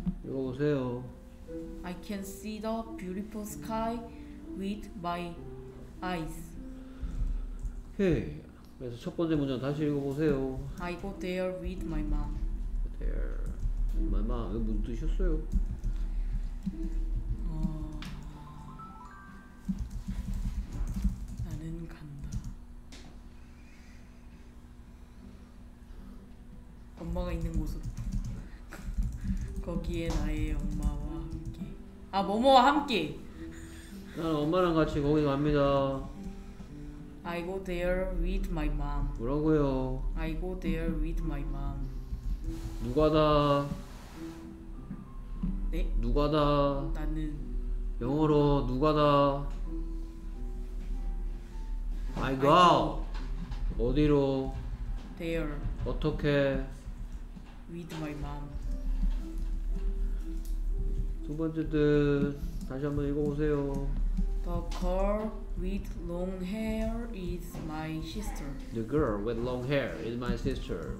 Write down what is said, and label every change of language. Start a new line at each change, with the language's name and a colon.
Korean: 보세요.
English: I can see the beautiful sky with my eyes.
Korean: 그래서 첫 번째 문장 다시 읽어보세요.
English: I go there with my mom. There with my mom.
Korean: 이거 무슨 뜻이었어요? 나는 간다. 엄마가 있는 곳으로. 거기에 나의 엄마와 함께. 아, 뭐뭐와 함께. 나는 엄마랑 같이 거기 갑니다.
English: I go there with my mom.
Korean: 뭐라고요?
English: I go there with my mom.
Korean: 누가다? 네? 누가다? 나는. 영어로 누가다?
English: I go. I go.
Korean: 어디로?
English: There.
Korean: 어떻게?
English: With my mom.
Korean: 두 번째 뜻 다시 한번 읽어보세요.
English: The girl with long hair is my sister. The girl with long hair is my sister.